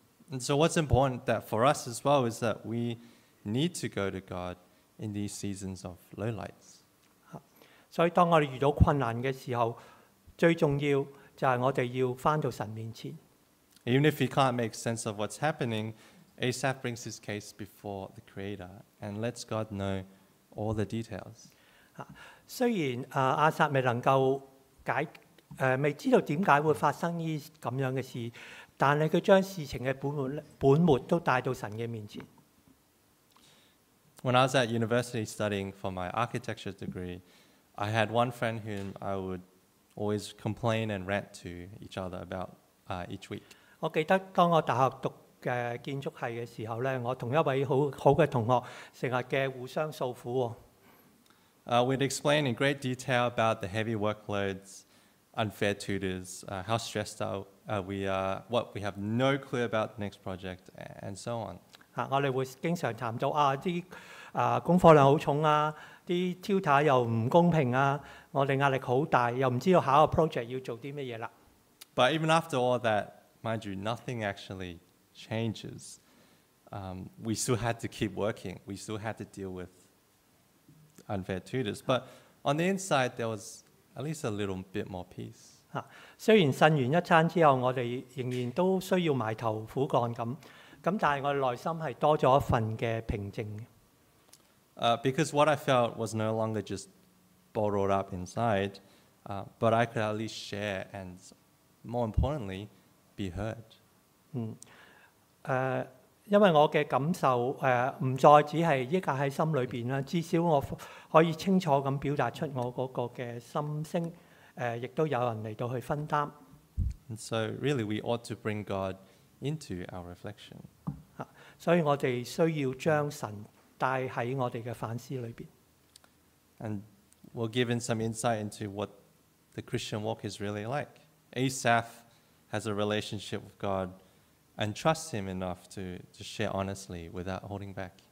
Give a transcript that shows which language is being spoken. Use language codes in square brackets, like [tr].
[en] And so, what's important that for us as well is that we need to go to God in these seasons of low lights. [yue] 所以当我哋遇到困难嘅时候，最重要就系我哋要翻到神面前。 [en] Even if he can't make sense of what's happening, Asaph brings his case before the Creator and lets God know all the details. [yue] 虽然亚撒未能够未知道点解会发生呢咁样嘅事，但系佢将事情嘅本末都带到神嘅面前。 [en] When I was at university studying for my architecture degree, I had one friend whom I would always complain and rant to each other about each week. [yue] 我记得当我大学读建筑系嘅时候咧，我同一位好嘅同学成日嘅互相诉苦。 [en] We'd explain in great detail about the heavy workloads. Unfair tutors, how stressed out we are, what we have no clue about the next project, and so on. [yue] 我哋会经常谈到功课量好重啊，啲 tutor 又唔公平啊，我哋压力好大，又唔知道下一个 project 要做啲乜嘢啦。 [en] But even after all that, mind you, nothing actually changes. We still had to keep working. We still had to deal with unfair tutors. But on the inside, there was. At least a little bit more peace. [yue] 虽然呻完一餐之后，我哋仍然都需要埋头苦干咁，但系我内心系多咗一份嘅平静。 [en] Because what I felt was no longer just bottled up inside, but I could at least share and, more importantly, be heard. [yue] 因为我嘅感受唔再只系抑压喺心里边啦，至少我可以清楚咁表达出我嗰个嘅心声，亦都有人嚟到去分担。 [en] And so really, we ought to bring God into our reflection. [yue] 所以我哋需要将神带喺我哋嘅反思里边。 [en] And we're given some insight into what the Christian walk is really like. Asaph has a relationship with God. And trust him enough to share honestly without holding back.